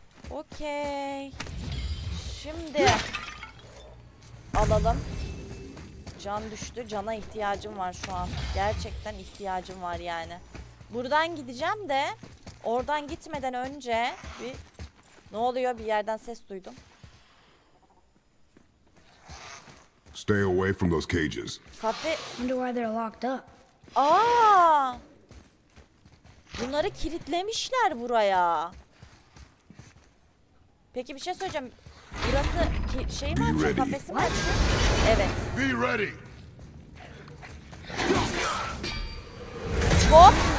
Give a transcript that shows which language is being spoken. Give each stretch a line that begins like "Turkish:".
Turkish: Okey. Şimdi alalım. Can düştü. Cana ihtiyacım var şu an. Gerçekten ihtiyacım var yani. Buradan gideceğim de oradan gitmeden önce bir ne oluyor? Bir yerden ses duydum.
English: Stay away from those cages.
Turkish: Kafe.
English: Wonder why they're locked up. Aa!
Turkish: Bunları kilitlemişler buraya. Peki bir şey söyleyeceğim. Burası şey mi açıyor, kafesi mi açıyor? Evet.
English: Be ready. Hop.